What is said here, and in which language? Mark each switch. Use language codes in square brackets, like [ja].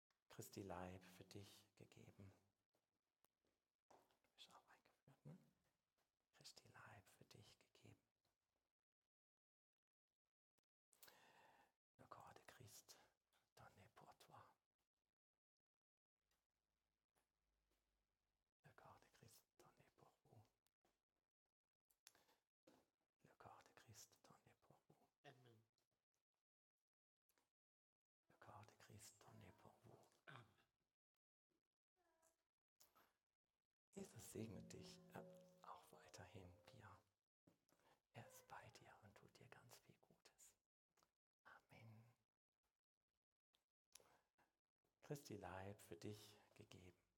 [de] Christi Leib für dich gegeben. Du bist auch eingeführt, ne? Christi Leib für dich gegeben. [fr] Le corps de Christ donné pour toi. Le corps de Christ donné pour vous. Le corps de Christ donné pour vous. Amen. Le corps de Christ donné pour vous. [de] Jesus segne dich auch weiterhin, Pia. Er ist bei dir und tut dir ganz viel Gutes. Amen. Christi Leib für dich gegeben.